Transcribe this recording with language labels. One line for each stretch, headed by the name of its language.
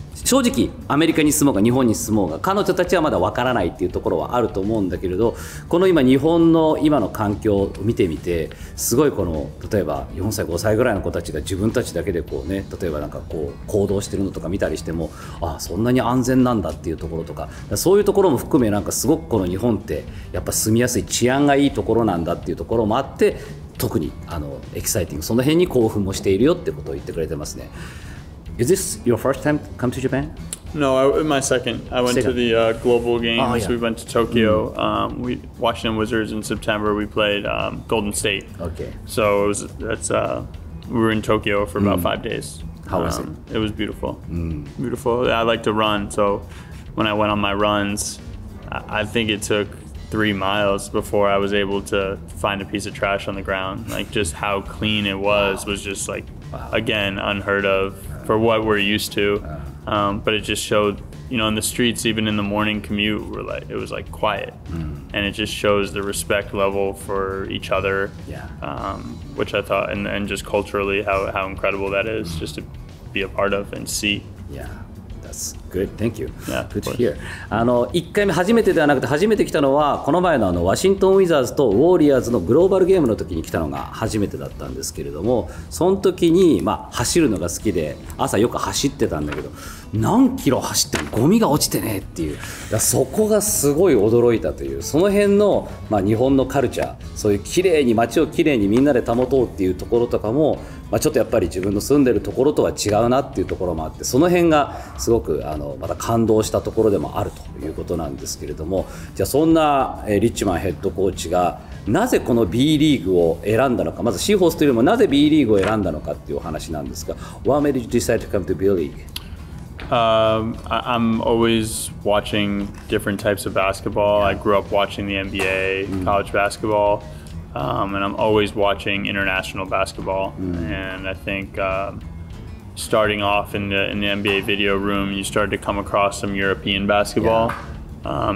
Japanese: 正直アメリカに住もうが日本に住もうが彼女たちはまだ分からないっていうところはあると思うんだけれど、この今日本の今の環境を見てみて、すごいこの例えば4歳5歳ぐらいの子たちが自分たちだけでこうね、例えばなんかこう行動してるのとか見たりしても、あ、そんなに安全なんだっていうところとか、そういうところも含め、なんかすごくこの日本ってやっぱ住みやすい、治安がいいところなんだっていうところもあって、特にあのエキサイティング、その辺に興奮もしているよってことを言ってくれてますね。
English: Is this your first time to come to Japan? No, my second. I went to the global games.、Oh, yeah. We went to Tokyo.、Mm. We, Washington Wizards in September, we played、Golden State. Okay. So it was, that's, we were in Tokyo for about、mm. 5 days. How was it? It was beautiful.、Mm. Beautiful. I like to run. So when I went on my runs, I think it took 3 miles before I was able to find a piece of trash on the ground. Like just how clean it was、wow. was just like,、wow. again, unheard of. For what we're used to, but it just showed, you know, in the streets, even in the morning commute, we're like, it was like quiet,、mm. and it just shows the respect level for each other, yeah.、 Which I thought, and just culturally, how incredible that is,、mm. just to be a part of and see. Yeah, that's good. Thank you. Yeah, good to hear.
Japanese: あの1回目初めてではなくて、初めて来たのはこの前のあのワシントンウィザーズとウォーリアーズのグローバルゲームの時に来たのが初めてだったんですけれども、その時にまあ走るのが好きで朝よく走ってたんだけど、何キロ走ってもゴミが落ちてねっていう、だそこがすごい驚いたという、その辺のまあ日本のカルチャー、そういうきれいに街をきれいにみんなで保とうっていうところとかも、まあちょっとやっぱり自分の住んでるところとは違うなっていうところもあって、その辺がすごくあのまた感動したところでもあるということなんですけれども、じゃあそんなリッチマンヘッドコーチがなぜこの B リーグを選んだのか、まずシーホースというよりもなぜ B リーグを選んだのかっていうお話なんですが、
English: Why made you decide to come to B league?、 I'm always watching different types of basketball. I grew up watching the NBA, college basketball, and I'm always watching international basketball. And I think、starting off in the NBA video room, you started to come across some European basketball,、yeah.